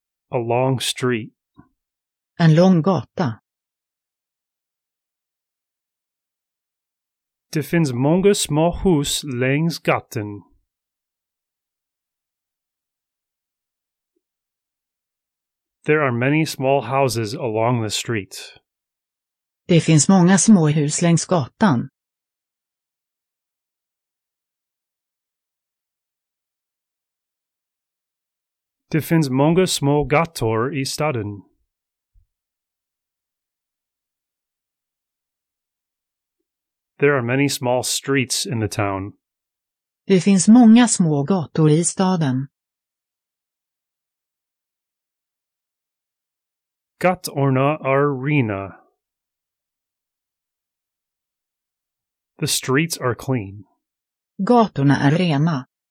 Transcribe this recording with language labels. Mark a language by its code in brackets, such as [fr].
[en] A long street. [sv] En lång gata. Det finns många små hus längs gatan. [en] There are many small houses along the street. [sv] Det finns många små hus längs gatan. Det finns många små gator i staden. [en] There are many small streets in the town. [sv] Det finns många små gator i staden. Gatorna är rena. [en] The streets are clean. [sv] Gatorna är rena.